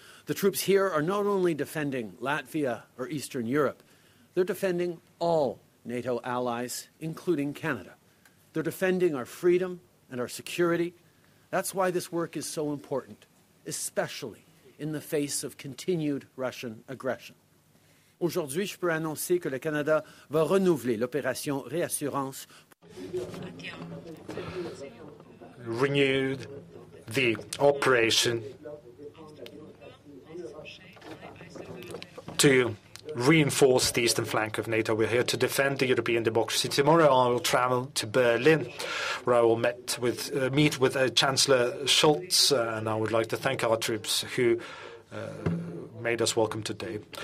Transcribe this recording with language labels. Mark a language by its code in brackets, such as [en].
[en] The troops here are not only defending Latvia or Eastern Europe, they're defending all NATO allies, including Canada. They're defending our freedom and our security, That's why this work is so important, especially in the face of continued Russian aggression. [fr] Aujourd'hui, je peux annoncer que le Canada va renouveler l'opération Réassurance. [en] Renewed the operation to reinforce the eastern flank of NATO. We're here to defend the European democracy. Tomorrow I will travel to Berlin, where I will meet with Chancellor Scholz, and I would like to thank our troops who made us welcome today.